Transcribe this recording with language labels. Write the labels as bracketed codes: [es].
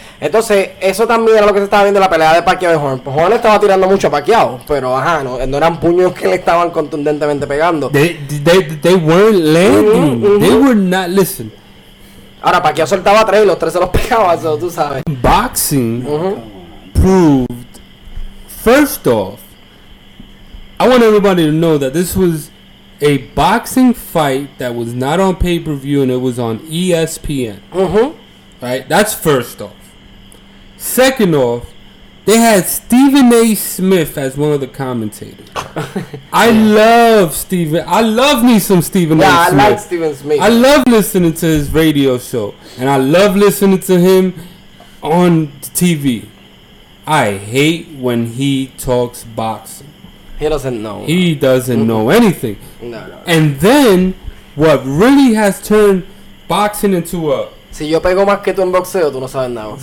[es] Entonces, eso también era lo que se estaba viendo en la pelea de Pacquiao y Horn. Pues Horn le estaba tirando mucho a Pacquiao, pero ajá, no eran puños que le estaban contundentemente pegando. [en] They weren't landing. They were not listening. [es] Ahora, Pacquiao soltaba tres y los tres se los pegaba, eso tú sabes. [en] Boxing proved, first off, I want everybody to know that this was a boxing fight that was not on pay-per-view and it was on ESPN. Mm-hmm. Right? That's first off. Second off, they had Stephen A. Smith as one of the commentators. I love me some Stephen A. Smith. Yeah, I like Stephen Smith. I love listening to his radio show. And I love listening to him on TV. I hate when he talks boxing. He doesn't know. He doesn't know anything. No. And then, what really has turned boxing into a... [es] Si yo pego más que tú en boxeo, tú no sabes nada.